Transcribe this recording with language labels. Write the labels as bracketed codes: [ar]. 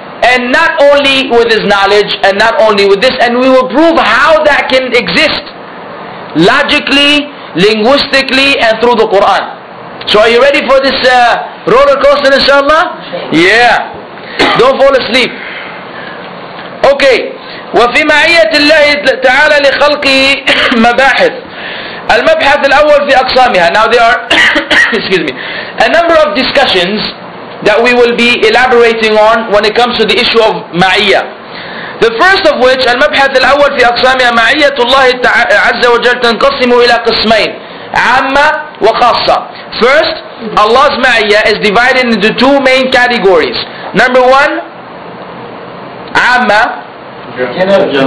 [en] And not only with His knowledge, and not only with this, and we will prove how that can exist logically, linguistically, and through the Quran. So are you ready for this roller coaster, inshallah? Yeah. Don't fall asleep. Okay. [ar] وفي معية الله تعالى لخلقه مباحث. المبحث الأول في أقسامها. [en] Now there are excuse me, a number of discussions that we will be elaborating on when it comes to the issue of معية. The first of which, [ar] المبحث الأول في أقسامها, معية الله عز وجل تنقسم إلى قسمين, عامة وخاصة. [en] First, Allah's معية is divided into two main categories. Number one, عامة,